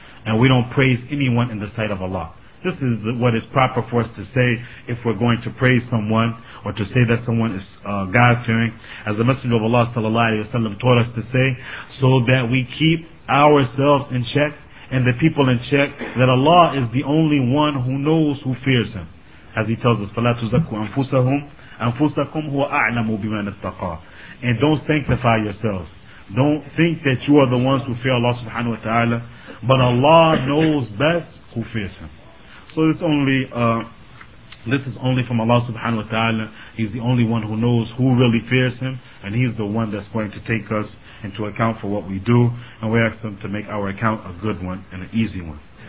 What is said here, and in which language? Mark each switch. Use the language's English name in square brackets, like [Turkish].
[English] And we don't praise anyone in the sight of Allah. This is what is proper for us to say if we're going to praise someone or to say that someone is God-fearing. As the Messenger of Allah sallallahu alaihi wasallam taught us to say, so that we keep ourselves in check and the people in check, that Allah is the only one who knows who fears him. As he tells us, [Arabic] فَلَا تُزَكُوا أَنفُسَهُمْ أَنفُسَكُمْ هُوَ أَعْلَمُ بِمَنَ اتَّقَى. [English] And don't sanctify yourselves. Don't think that you are the ones who fear Allah subhanahu wa ta'ala. But Allah knows best who fears him. So it's only this is only from Allah subhanahu wa ta'ala. He's the only one who knows who really fears him, and he's the one that's going to take us into account for what we do, and we ask him to make our account a good one and an easy one.